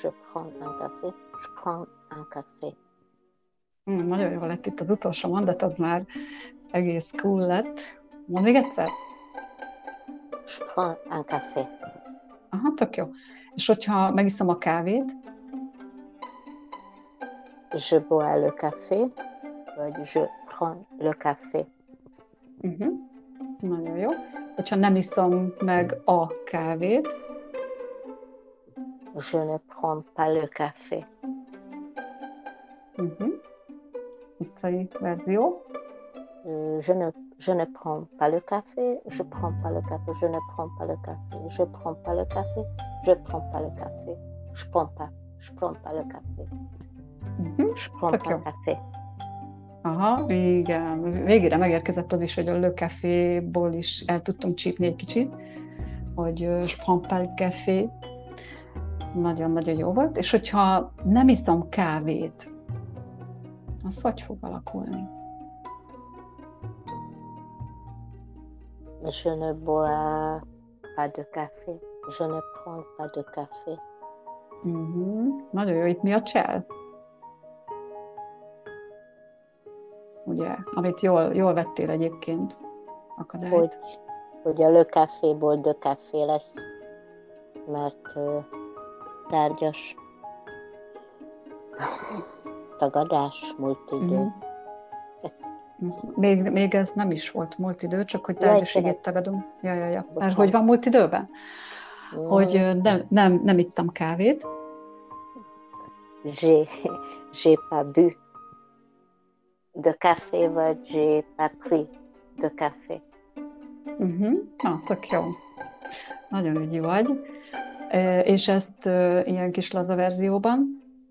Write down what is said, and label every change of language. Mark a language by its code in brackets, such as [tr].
[fr] Je prends un café. Je prends un café. [hu] Nagyon jól lett itt az utolsó mondat, az már egész cool lett. Mondd még egyszer. [fr] Je prends un café. [hu] Aha, tök jó. És hogyha megiszom a kávét? [fr] Je bois le café, vagy je prends le café. [hu] Nagyon jó. Hogyha nem iszom meg a kávét? [fr] Je ne prends pas le café. [hu] Utcai verzió. [fr] Je ne prends pas le café, je prends pas le café, je ne prends pas le café, je prends pas le café, je prends pas le café, je prends pas le café. [hu] Tök jó. [fr] Café. [hu] Aha, igen. Végére megérkezett az is, hogy a Le Caféból is el tudtam csípni egy kicsit, hogy Spampel Café. Nagyon-nagyon jó volt. És hogyha nem iszom kávét, az hogy fog alakulni? [fr] Je ne bois pas de café. Je ne prends pas de café. [hu] Nagyon jó, itt mi a csel? Ugye, amit jól vettél egyébként akadályt. Hogy a Le Caféból de café lesz, mert tárgyas tagadás, múlt idő. Még ez nem is volt múlt idő, csak hogy tárgyaségét tagadunk. Ja. Mert hogy van múlt időben? Hogy nem ittam kávét. [fr] J'ai pas bu de café, vagy j'ai pas pris de café. [hu] Na, tök jó. Nagyon ügyi vagy. És ezt ilyen kis laza verzióban?